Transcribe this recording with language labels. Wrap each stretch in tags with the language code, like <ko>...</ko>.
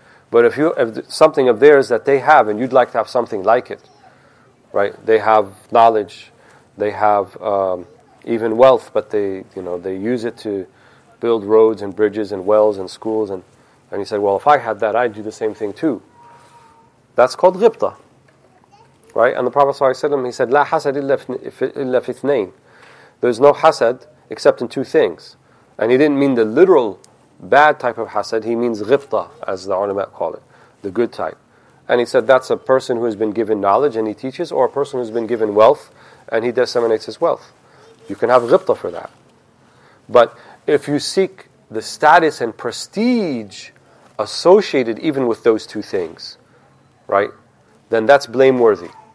<en>But if something of theirs that they have and you'd like to have something like it, right? They have knowledge, they have even wealth, but they use it to build roads and bridges and wells and schools. And you say, well, if I had that, I'd do the same thing too. That's called ghibta, right? And the Prophet ﷺ, he said,</en> <ar>لا حسد إلا في اثنين.</ar> <en>There's no hasad except in two things. And he didn't mean the literal bad type of hasad, he means ghibta, as the ulama call it, the good type. And he said that's a person who has been given knowledge and he teaches, or a person who's been given wealth and he disseminates his wealth. You can have ghibta for that. But if you seek the status and prestige associated even with those two things, right, then that's blameworthy.</en>